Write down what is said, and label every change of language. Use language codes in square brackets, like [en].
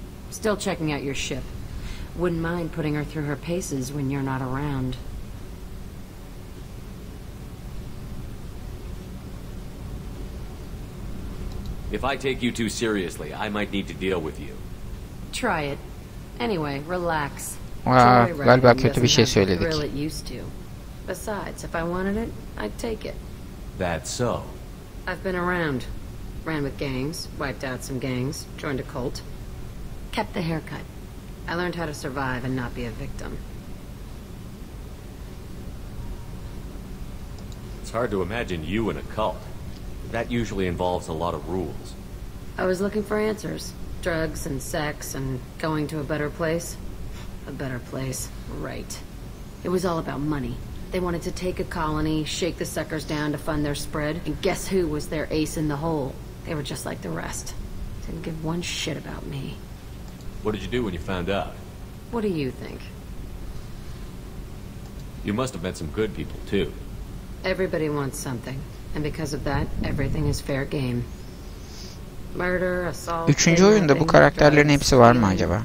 [en] Still checking out your ship. Wouldn't mind putting her through her paces when you're not around. You If I take you too seriously, I might need to deal with you. Try it. Anyway, relax. [tr] Aa, galiba kötü bir şey söyledik. [en] Besides, if I wanted it, I'd take it. That's so. I've been around. Ran with gangs, wiped out some gangs, joined a cult. Kept the haircut. I learned how to survive and not be a victim. It's hard to imagine you in a cult. That usually involves a lot of rules. I was looking for answers. Drugs and sex and going to a better place. A better place, right. It was all about money. They wanted to take a colony, shake the suckers down to fund their spread, and guess who was their ace in the hole? They were just like the rest. Didn't give one shit about me. What did you do when you found out? What do you think? You must have met some good people, too. Everybody wants something. And because of that, everything is fair game. Murder, assault... [tr] Üçüncü oyunda bu karakterlerin hepsi var mı acaba?